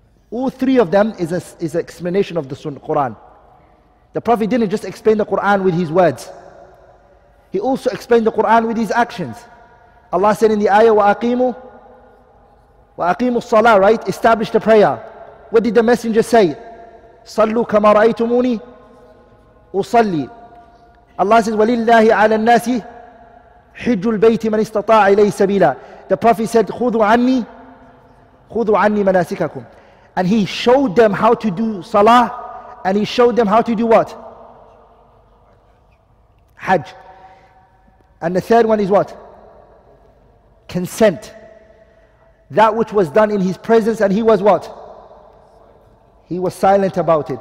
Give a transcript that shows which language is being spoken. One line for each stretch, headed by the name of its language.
English: All three of them is an explanation of the Sunnah, Quran. The Prophet didn't just explain the Quran with his words. He also explained the Quran with his actions. Allah said in the ayah,
Arabic: وَأَقِيمُوا الصَّلَاةِ,
English: right? Establish the prayer. What did the Messenger say?
Arabic: صَلُّوا كَمَا رَأَيْتُمُونِي أُصَلِّي.
English: Allah says,
Arabic: وَلِلَّهِ عَلَى النَّاسِ حِجُّ الْبَيْتِ مَنْ اسْتَطَاعَ إِلَيْهِ سَبِيلًا.
English: The Prophet said,
Arabic: خُذُوا عَنِّي مَنَاسِكَكُمْ.
English: And he showed them how to do salah, and he showed them how to do what? Hajj. And the third one is what? Consent. That which was done in his presence, and he was what? He was silent about it.